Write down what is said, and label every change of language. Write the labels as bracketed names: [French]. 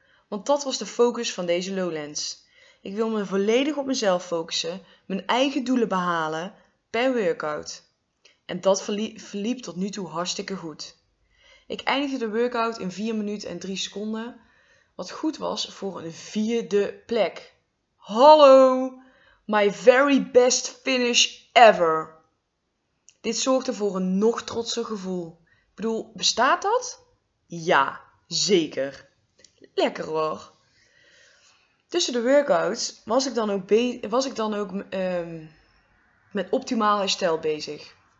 [Dutch] Want dat was de focus van deze Lowlands. Ik wil me volledig op mezelf focussen, mijn eigen doelen behalen per workout. En dat verliep tot nu toe hartstikke goed. Ik eindigde de workout in 4 minuten en 3 seconden, wat goed was voor een 4e plek. Hallo! [English] My very best finish ever! [Dutch] Dit zorgde voor een nog trotser gevoel. Ik bedoel, bestaat dat? Ja, zeker. Lekker hoor. Tussen de workouts was ik dan ook met optimaal herstel bezig.